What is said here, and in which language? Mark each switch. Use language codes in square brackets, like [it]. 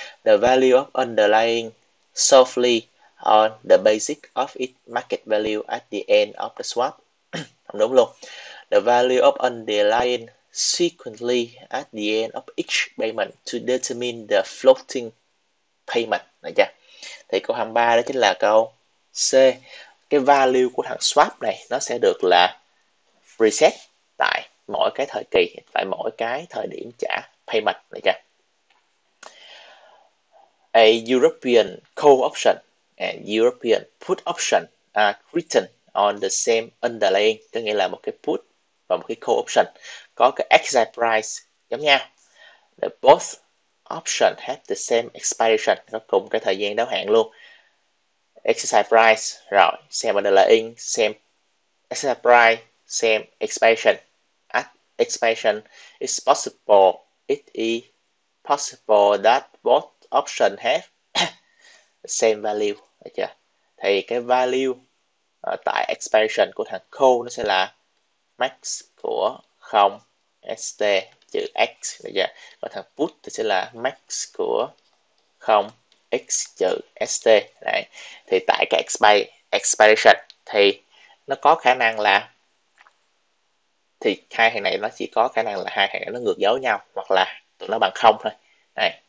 [en] The value of underlying solely on the basis of its market value at the end of the swap. [vi] Không đúng luôn. [en] The value of underlying sequentially at the end of each payment to determine the floating payment. [vi] Được chưa? Thì câu 23 đó chính là câu C. Cái value của thằng swap này nó sẽ được là reset tại mỗi cái thời kỳ, tại mỗi cái thời điểm trả payment. Được chưa? [en] A European call option, a European put option are written on the same underlying, [vi] có nghĩa là một cái put và một cái call option có cái exact price giống nhau. [en] The both option have the same expiration, [vi] có cùng cái thời gian đáo hạn luôn. [en] Exercise price, [vi] rồi xem [en] underlying, xem exercise price, xem expiration. At expiration, it's possible, it is possible that both option have the same value. [vi] Được chưa? Thì cái value tại expiration của thằng call nó sẽ là max của 0 st chữ x, được chưa? Và thằng put thì sẽ là max của 0 x chữ st. Đấy. Thì tại cái expiration thì nó có khả năng là thì hai thằng này nó chỉ có khả năng là hai thằng này nó ngược dấu nhau hoặc là tụi nó bằng không thôi. Đấy.